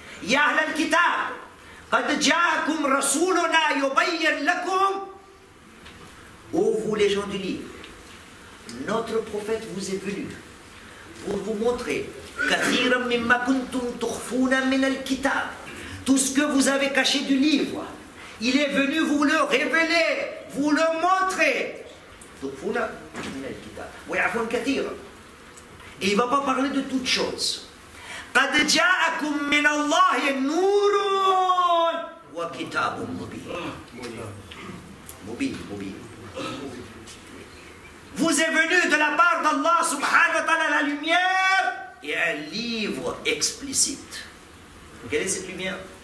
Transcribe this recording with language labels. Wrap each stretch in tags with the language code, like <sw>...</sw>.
<ar>Ya ahl al-kitab, قد جاءكم رسولنا يبين لكم.</ar> <fr>Ô vous les gens du livre, notre prophète vous est venu pour vous montrer</fr> <ar>كثيرا مما كنتم تخفون من الكتاب,</ar> <fr>tout ce que vous avez caché du livre, il est venu vous le révéler, vous le montrer.</fr> <ar>تخفون من الكتاب ويعفون كثيرا.</ar> <fr>Et il ne va pas parler de toutes choses.</fr> <ar>قَدْ جَاءَكُمْ مِنَ اللَّهِ نُورٌ وَكِتَابٌ مُبِينٌ.</ar> <fr>Vous êtes venu de la part d'Allah subhanahu wa ta'ala la lumière et un livre explicite. Quelle est cette lumière?</fr>